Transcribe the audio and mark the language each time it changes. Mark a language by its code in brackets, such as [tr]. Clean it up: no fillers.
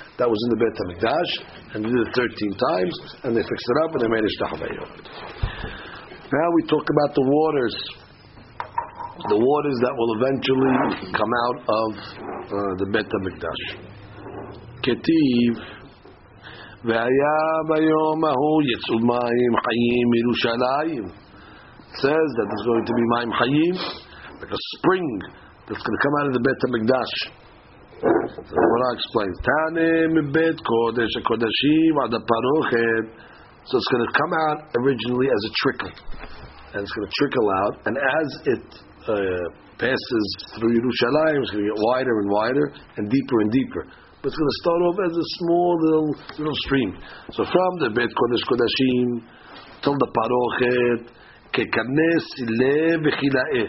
[en] That was in the Beit HaMikdash, and they did it 13 times, and they fixed it up, and they made it shtachavayot. Now we talk about the waters. The waters that will eventually come out of the Beit HaMikdash. [he] Ketiv. והיה ביום ההוא יצאו מים חיים מירושלים. [en] Says that there's going to be מים חיים, like a spring that's going to come out of the Beit HaMikdash. So the Torah explains, [he] תענה מבית קודש הקודשים עד הפרוכת. [en] So it's going to come out originally as a trickle, and it's going to trickle out, and as it passes through Yerushalayim, it's going to get wider and wider and deeper and deeper. But it's going to start off as a small little stream. So from the Beit Kodesh Kodashim till the Parochet, Kekanes Le Vechilae.